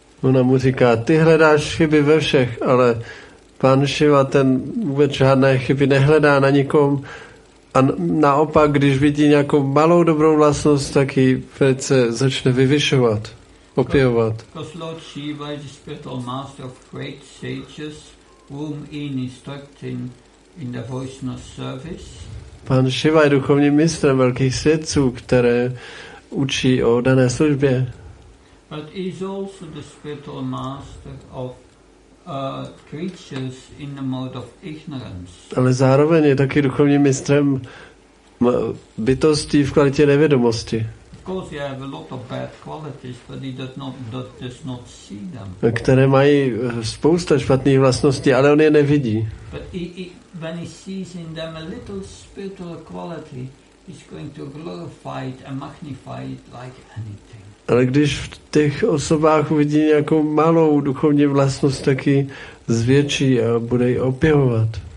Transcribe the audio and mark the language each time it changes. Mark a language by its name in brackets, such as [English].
[Czech] Ona mu říká, ty hledáš chyby ve všech, ale pán Shiva ten vůbec žádné chyby nehledá na nikom. A naopak, když vidí nějakou malou dobrou vlastnost, tak ji velice začne vyvyšovat, opěvovat. [English] Because Lord Shiva is the spiritual master of great sages, whom in instructing in the devotional service. [Czech] Pan Shiva je duchovním mistrem velkých svědců, které učí o dané službě. [English] But he is also the spiritual master of creatures in the mode of ignorance. [Czech] Ale zároveň je taky duchovním mistrem bytostí v kvalitě nevědomosti. [English] Of course, he have a lot of bad qualities, but he does not see them. [Czech] Které mají spousta špatných vlastností, ale on je nevidí. [English] But when he sees in them a little spiritual quality, he's going to glorify it and magnify it like anything. [Czech] Ale když v těch osobách uvidí nějakou malou duchovní vlastnost, tak ji zvětší a bude ji opěvovat.